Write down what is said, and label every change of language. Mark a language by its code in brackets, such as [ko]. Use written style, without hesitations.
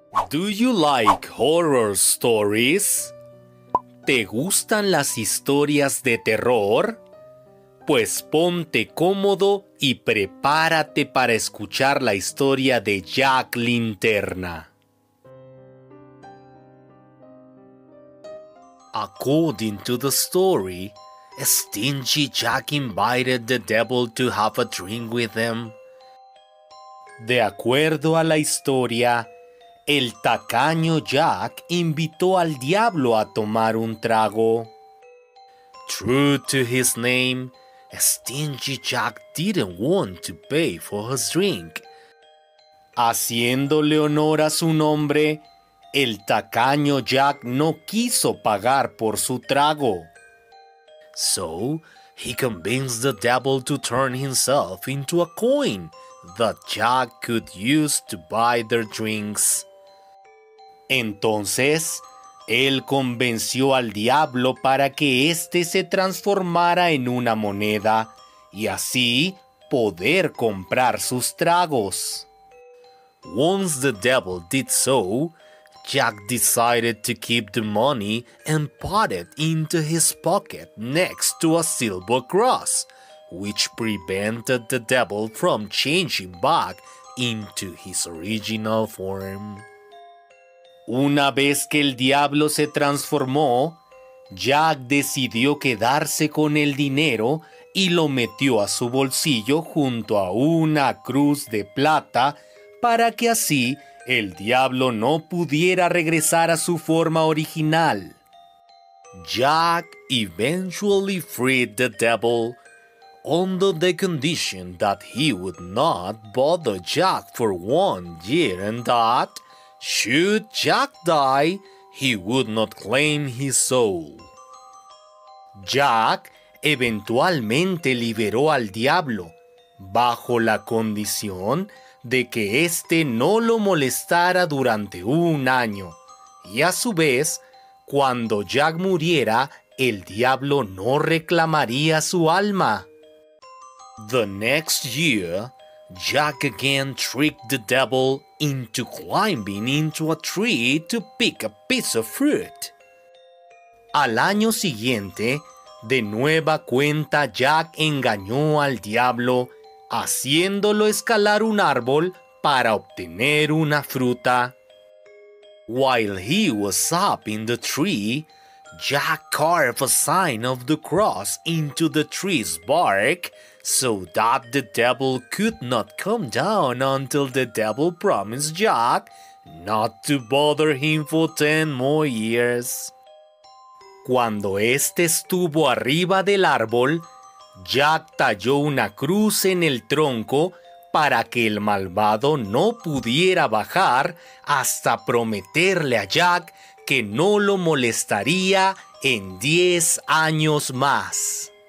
[en] Do you like horror stories? [es] ¿Te gustan las historias de terror? Pues ponte cómodo y prepárate para escuchar la historia de Jack Linterna. [en] According to the story, Stingy Jack invited the devil to have a drink with him. [es] De acuerdo a la historia, el tacaño Jack invitó al diablo a tomar un trago. [en] True to his name, Stingy Jack didn't want to pay for his drink. [es] Haciéndole honor a su nombre, el tacaño Jack no quiso pagar por su trago. [en] So, he convinced the devil to turn himself into a coin that Jack could use to buy their drinks. [es] Entonces, él convenció al diablo para que éste se transformara en una moneda y así poder comprar sus tragos. [en] Once the devil did so, Jack decided to keep the money and put it into his pocket next to a silver cross, which prevented the devil from changing back into his original form. [es] Una vez que el diablo se transformó, Jack decidió quedarse con el dinero y lo metió a su bolsillo junto a una cruz de plata para que así el diablo no pudiera regresar a su forma original. [en] Jack eventually freed the devil under the condition that he would not bother Jack for 1 year and that, should Jack die, he would not claim his soul. [es] Jack eventualmente liberó al diablo bajo la condición de que éste no lo molestara durante 1 año, y a su vez, cuando Jack muriera, el diablo no reclamaría su alma. [en] The next year, Jack again tricked the devil into climbing into a tree to pick a piece of fruit. [es] Al año siguiente, de nueva cuenta Jack engañó al diablo haciéndolo escalar un árbol para obtener una fruta. [en] While he was up in the tree, Jack carved a sign of the cross into the tree's bark so that the devil could not come down until the devil promised Jack not to bother him for 10 more years. [es] Cuando este estuvo arriba del árbol, Jack talló una cruz en el tronco para que el malvado no pudiera bajar hasta prometerle a Jack que no lo molestaría en 10 años más.